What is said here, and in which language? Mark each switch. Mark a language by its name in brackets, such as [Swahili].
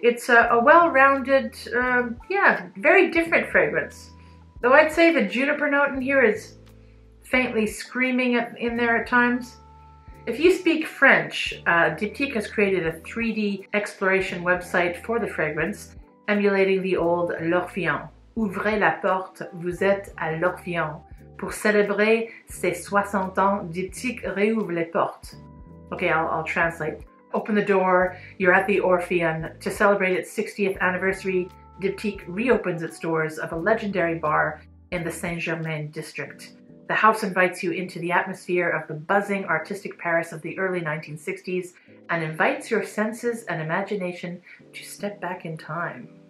[English] It's a well-rounded, very different fragrance. Though I'd say the juniper note in here is faintly screaming in there at times. If you speak French, Diptyque has created a 3D exploration website for the fragrance, emulating the old L'Orpheon. [French] Ouvrez la porte, vous êtes à L'Orpheon. Pour célébrer ses 60 ans, Diptyque réouvre les portes. [English] Okay, I'll translate. Open the door, you're at the Orpheon. To celebrate its 60th anniversary, Diptyque reopens its doors of a legendary bar in the Saint-Germain district. The house invites you into the atmosphere of the buzzing artistic Paris of the early 1960s and invites your senses and imagination to step back in time.